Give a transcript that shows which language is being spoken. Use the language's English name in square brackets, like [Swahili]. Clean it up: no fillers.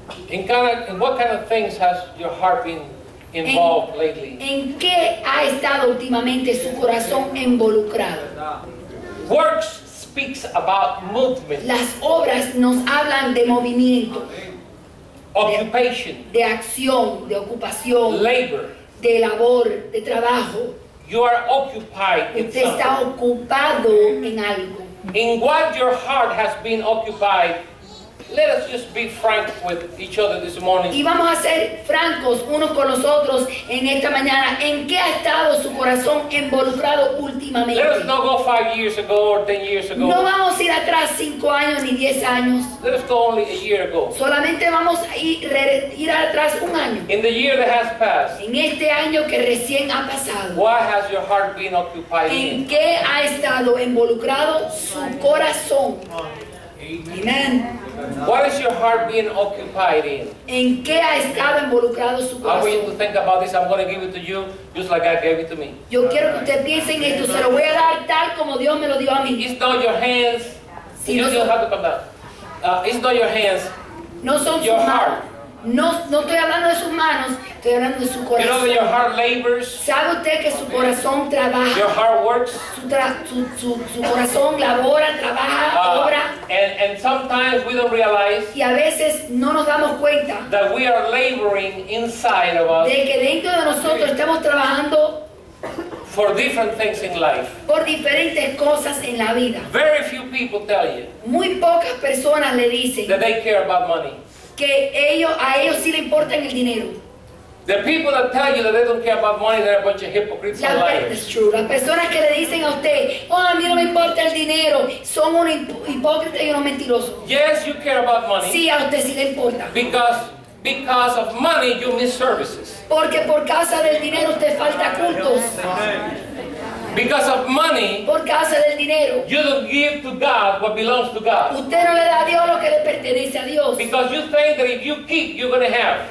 [English] In what kind of things has your heart been involved lately? [Spanish] ¿En qué ha estado últimamente su corazón involucrado? [English] Works speaks about movement. [Spanish] Las obras nos hablan de movimiento. [English] Occupation. [Spanish] De acción, de ocupación. [English] Labor. [Spanish] De labor, de trabajo. [English] You are occupied. [Spanish] Usted está ocupado en algo. [English] In what your heart has been occupied, let us just be frank with each other this morning. [Spanish] Y vamos a ser francos unos con los otros en esta mañana. ¿En qué ha estado su corazón involucrado últimamente? [English] Let us not go 5 years ago or 10 years ago. [Spanish] No vamos a ir atrás 5 años ni 10 años. [English] Let us go only a year ago. [Spanish] Solamente vamos a ir atrás un año. [English] In the year that has passed. [Spanish] En este año que recién ha pasado. [English] What has your heart been occupied in? [Spanish] ¿En qué ha estado involucrado su corazón? [English] Amen. What is your heart being occupied in? [Spanish] ¿En qué ha estado involucrado su corazón? [English] I want you to think about this. I'm going to give it to you just like God gave it to me. [Spanish] Yo quiero que usted piense en esto. Se lo voy a dar tal como Dios me lo dio a mí. [English] It's not your hands. [Spanish] Sí, [English] you don't have to come down. It's not your hands. [Spanish] No son [English] your heart. [Spanish] No estoy hablando de sus manos. Estoy hablando de su corazón. [English] You know that your heart labors. [Spanish] ¿Sabe usted que su corazón trabaja? [English] Your heart works. [Spanish] Su corazón labora, trabaja, obra. [English] And sometimes we don't realize. [Spanish] Y a veces no nos damos cuenta. [English] That we are laboring inside of us. [Spanish] De que dentro de nosotros estamos trabajando. [English] For different things in life. [Spanish] Por diferentes cosas en la vida. [English] Very few people tell you. [Spanish] Muy pocas personas le dicen. [English] That they care about money. [Spanish] Que a ellos sí le importa el dinero. [English] The people that tell you that they don't care about money, they're a bunch of hypocrites and liars. That's true. [Spanish] Las personas que le dicen a usted, oh, a mí no me importa el dinero, son un hipócrita y un mentiroso. [English] Yes, you care about money. [Spanish] Sí, a usted sí le importa. [English] Because of money, you miss services. [Spanish] Porque por causa del dinero usted falta cultos. [English] Because of money, [Spanish] por causa del dinero, [English] you don't give to God what belongs to God. [Spanish] Usted no le da a Dios lo que le pertenece a Dios. [English] Because you think that if you keep, you're going to have.